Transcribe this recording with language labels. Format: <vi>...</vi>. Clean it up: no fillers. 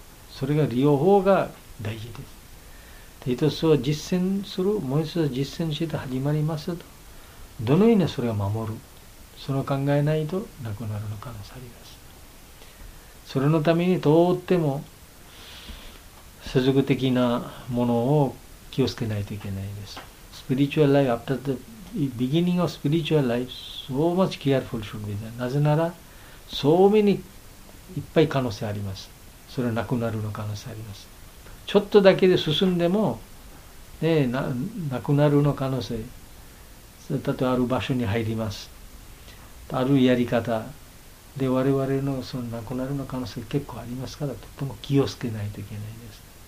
<ja>それが両方が大事です。で一つは実践する、もう一つは実践して始まりますと、どのようにそれを守る、その考えないとなくなるのかもしれません。それのためにとっても世俗的なものを気をつけないといけないです。</ja> <en>スピリチュアルライフ、after the beginning of spiritual life, so much careful should be done.</en> <ja>なぜなら、そう many いっぱい可能性あります。それはなくなるの可能性あります。ちょっとだけで進んでも、ね、なくなるの可能性。例えばある場所に入ります。あるやり方で我々のその亡くなるの可能性結構ありますから、とても気をつけないといけないです。</ja>